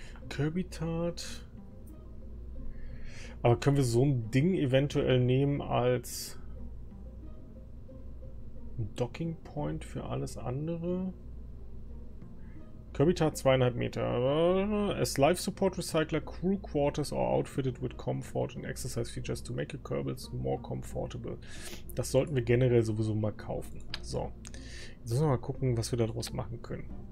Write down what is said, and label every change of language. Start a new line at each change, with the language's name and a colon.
German: Kirby-Tart. Aber können wir so ein Ding eventuell nehmen als ein Docking-Point für alles andere? Kirby-Tart 2,5 Meter.
English: As Life Support Recycler, Crew Quarters are outfitted with Comfort and Exercise Features to make your Kerbals more comfortable.
German: Das sollten wir generell sowieso mal kaufen. So. Jetzt müssen wir mal gucken, was wir daraus machen können.